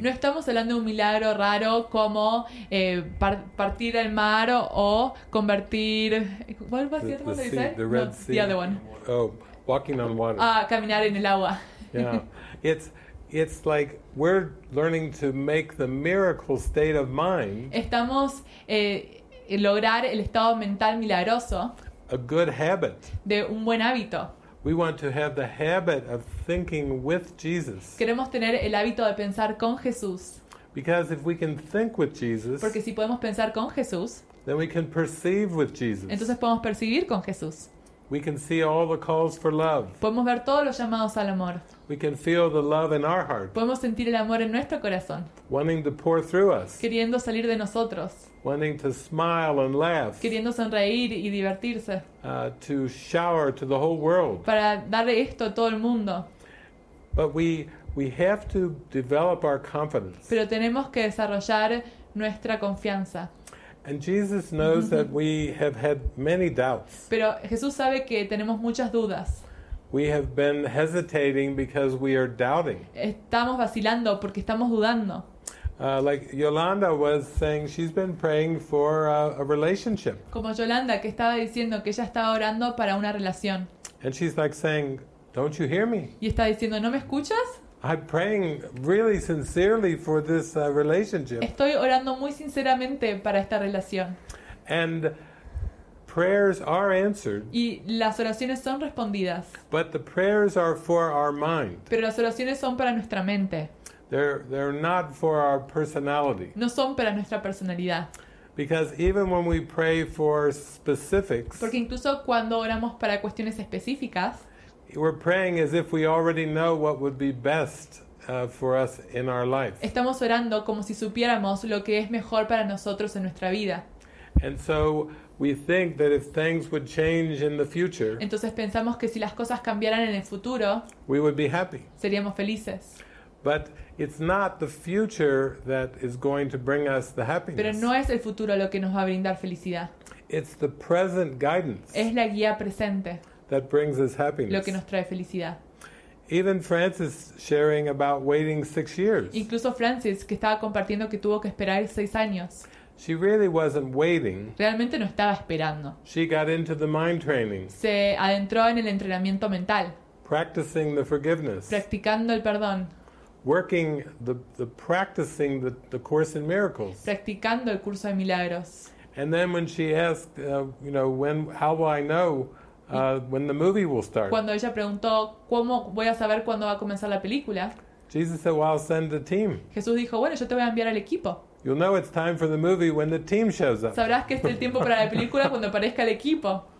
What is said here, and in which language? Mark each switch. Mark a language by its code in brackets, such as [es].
[es] No estamos hablando de un milagro raro como partir el mar o convertir ¿cuál va a ser? ¿Cómo se dice? [en] The Red Sea. The other one. Oh, walking on water. [es] Caminar en el agua. [en] Yeah, it's like we're learning to make the miracle state of mind. [es] Estamos lograr el estado mental milagroso. [en] A good habit. [es] De un buen hábito. [en] We want to have the habit of thinking with Jesus. [es] Queremos tener el hábito de pensar con Jesús. [en] Because if we can think with Jesus. [es] Porque si podemos pensar con Jesús. [en] Then we can perceive with Jesus. [es] Entonces podemos percibir con Jesús. [en] We can see all the calls for love. [es] Podemos ver todos los llamados al amor. [en] We can feel the love in our heart. [es] Podemos sentir el amor en nuestro corazón. [en] Wanting to pour through us. [es] Queriendo salir de nosotros. [en] Wanting to smile and laugh. [es] Queriendo sonreír y divertirse. [en] To shower to the whole world. [es] Para darle esto a todo el mundo. [en] But we have to develop our confidence. [es] Pero tenemos que desarrollar nuestra confianza. [en] And Jesus knows that we have had many doubts. [es] Pero Jesús sabe que tenemos muchas dudas. [en] We have been hesitating because we are doubting. [es] Estamos vacilando porque estamos dudando. [en] Like Yolanda was saying, she's been praying for a relationship. [es] Como Yolanda que estaba diciendo que ella estaba orando para una relación. [en] And she's like saying, "Don't you hear me?" [es] Y está diciendo, "¿No me escuchas?" [en] I'm praying really sincerely for this relationship. [es] Estoy orando muy sinceramente para esta relación. [en] And prayers are answered. [es] Y las oraciones son respondidas. [en] But the prayers are for our mind. [es] Pero las oraciones son para nuestra mente. [en] They're not for our personality. [es] No son para nuestra personalidad. [en] Because even when we pray for specifics. [es] Porque incluso cuando oramos para cuestiones específicas. [en] We're praying as if we already know what would be best for us in our life. [es] Estamos orando como si supiéramos lo que es mejor para nosotros en nuestra vida. [en] And so we think that if things would change in the future. [es] Entonces pensamos que si las cosas cambiaran en el futuro. [en] We would be happy. [es] Seríamos felices. [en] But it's not the future that is going to bring us the happiness. [es] Pero no es el futuro lo que nos va a brindar felicidad. [en] It's the present guidance. [es] Es la guía presente. [en] That brings us happiness. [es] Lo que nos trae felicidad. [en] Even Francis sharing about waiting 6 years. [es] Incluso Francis, que estaba compartiendo que tuvo que esperar 6 años. [en] She really wasn't waiting. [es] Realmente no estaba esperando. [en] She got into the mind training. [es] Se adentró en el entrenamiento mental. [en] Practicing the forgiveness. [es] Practicando el perdón. [en] Working the practicing the Course in Miracles. [es] Practicando el curso de milagros. [en] And then when she asked, when, how will I know when the movie will start? [es] Cuando ella preguntó cómo voy a saber cuándo va a comenzar la película. [en] Jesus said, "Well, I'll send the team." [es] Jesús dijo, bueno, yo te voy a enviar al equipo. [en] You'll know it's time for the movie when the team shows up. [es] Sabrás que es el tiempo para la película cuando aparezca el equipo.